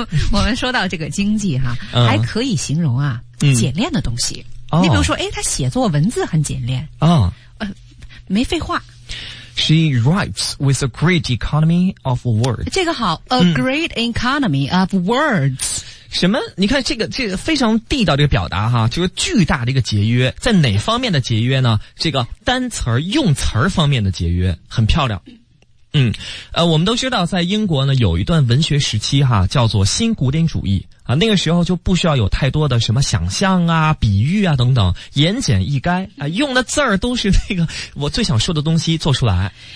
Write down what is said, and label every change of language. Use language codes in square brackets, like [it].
[zh] 我们说到这个经济哈、啊，还可以形容啊，简练的东西。你比如说，哎，他写作文字很简练啊、没废话。 [en] She writes with a great economy of words. [zh] 这个好 ， [en] a great economy of words。 [zh] 什么？你看这个非常地道的一个表达哈，就是巨大的一个节约，在哪方面的节约呢？这个单词儿用词儿方面的节约，很漂亮。我们都知道，在英国呢有一段文学时期哈，叫做新古典主义啊，那个时候就不需要有太多的什么想象啊、比喻啊等等，言简意赅啊，用的字儿都是那个我最想说的东西做出来。